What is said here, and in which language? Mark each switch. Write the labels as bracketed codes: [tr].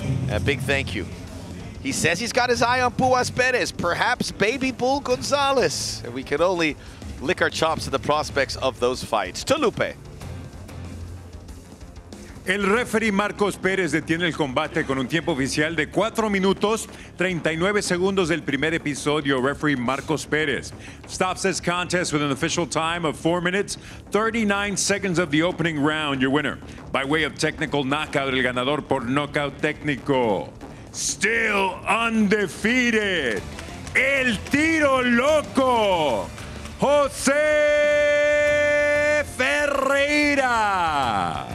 [en] A big thank you. He says he's got his eye on Puas Perez, perhaps baby bull Gonzalez. And we can only lick our chops at the prospects of those fights. To Lupe. [es] El referee Marcos Perez detiene el combate con un tiempo oficial de 4 minutos, 39 segundos del primer episodio. [en] Referee Marcos Perez stops this contest with an official time of 4 minutes, 39 seconds of the opening round. Your winner, by way of technical knockout, [es] el ganador por knockout técnico. [en] Still undefeated, El Tiro Loco, José Ferreira.